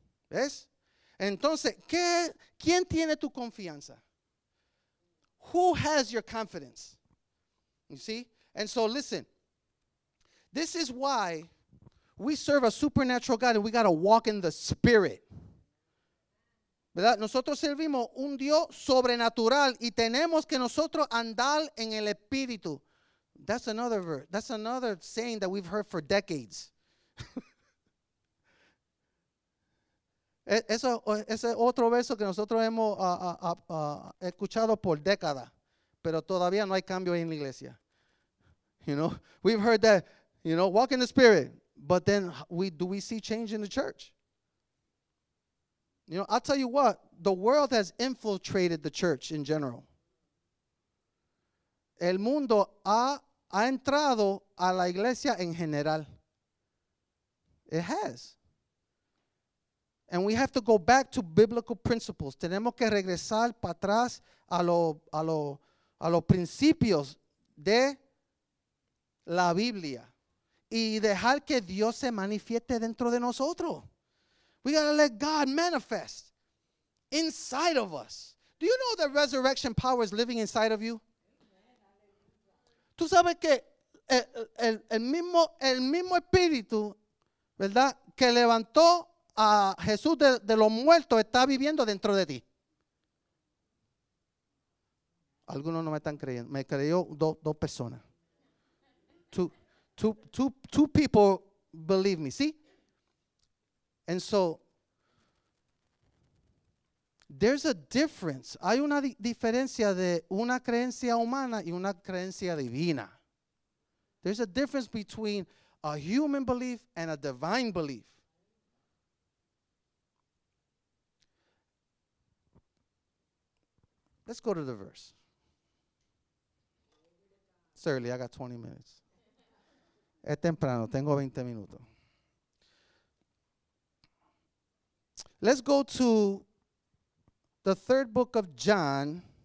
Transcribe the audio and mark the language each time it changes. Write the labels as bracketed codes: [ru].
[es] ¿Ves? Entonces, ¿quién tiene tu confianza? [en] Who has your confidence? You see? And so listen, this is why we serve a supernatural God and we got to walk in the spirit. [es] ¿Verdad? Nosotros servimos un Dios sobrenatural y tenemos que nosotros andar en el espíritu. [en] That's another verse. That's another saying that we've heard for decades. [es] Ese otro verso que nosotros hemos escuchado por décadas. pero todavía no hay cambio en la iglesia. [en] You know, we've heard that, you know, walk in the Spirit, but then do we see change in the church? You know, I'll tell you what, the world has infiltrated the church in general. [es] El mundo ha entrado a la iglesia en general. [en] It has. And we have to go back to biblical principles. [es] Tenemos que regresar para atrás a los principios de la Biblia y dejar que Dios se manifieste dentro de nosotros. [en] We got to let God manifest inside of us. Do you know that resurrection power is living inside of you? [es] Tú sabes que el mismo espíritu, ¿verdad?, que levantó a Jesús de los muertos está viviendo dentro de ti. Algunos no me están creyendo. Me creyó dos personas. [en] Two people believe me, [es] ¿sí? [en] And so, there's a difference. [es] Hay una diferencia de una creencia humana y una creencia divina. [en] There's a difference between a human belief and a divine belief. Let's go to the verse. It's early, I got 20 minutes. [es] Es temprano, tengo 20 minutos. [en] Let's go to the third book of John.